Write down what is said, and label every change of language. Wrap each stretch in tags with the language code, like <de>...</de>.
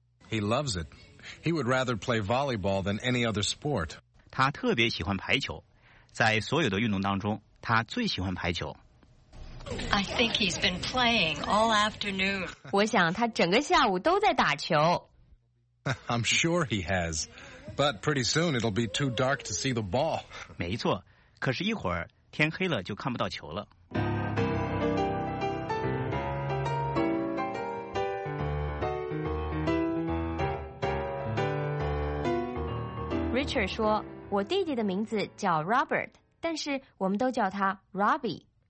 <en>He loves it. He would rather play volleyball than any other sport.</en> <zh>他特别喜欢排球，在所有的运动当中，他最喜欢排球。</zh> <en>I think he's been playing all afternoon.</en> <zh>我想他整个下午都在打球。</zh> <en>I'm sure he has, but pretty soon it'll be too dark to see the ball.</en> <zh>没错，可是一会儿天黑了就看不到球了。 Richard 说，我弟弟的名字叫 Robert， 但是我们都叫他 Robbie。</zh>